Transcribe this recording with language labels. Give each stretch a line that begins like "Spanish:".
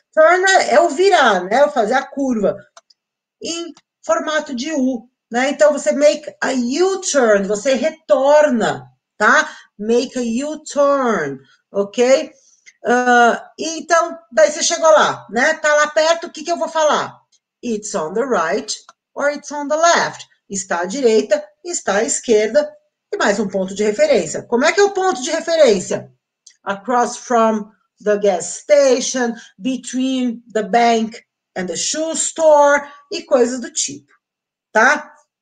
Portuguese: Turn é o virar, né? O fazer a curva em formato de U, né? Então você
English: make a U-turn,
Portuguese: você retorna, tá?
English: Make a U-turn,
Portuguese: ok? Então, daí você chegou lá, né? Tá lá perto, o que que eu vou falar?
English: It's on the right or it's on the left.
Portuguese: Está à direita, está à esquerda. E mais um ponto de referência. Como é que é o ponto de referência?
English: Across from the gas station, between the bank and the shoe store
Portuguese: e coisas do tipo, tá?